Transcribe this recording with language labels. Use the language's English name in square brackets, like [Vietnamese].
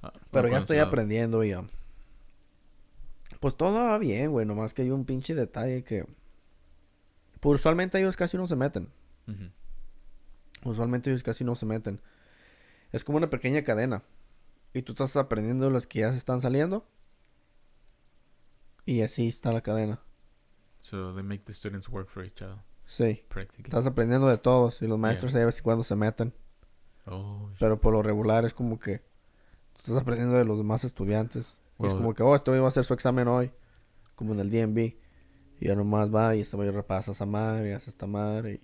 [Spanish] Pero ya estoy aprendiendo y... pues todo va bien, güey. Nomás que hay un pinche detalle que... Pues usualmente ellos casi no se meten. Uh-huh. Usualmente ellos casi no se meten. Es como una pequeña cadena. Y tú estás aprendiendo las que ya se están saliendo. Y así está la cadena. [English] So they make the students work for each other. [Spanish] Sí. [English] Practically. [Spanish] Estás aprendiendo de todos y los maestros de vez en cuando se meten. Oh. Pero por lo regular es como que estás aprendiendo de los demás estudiantes. [English] Well, [Spanish] y es como que, este va a hacer su examen hoy, como en el DMV. Y ya nomás va y este va y repasa a esa madre y hace esta madre.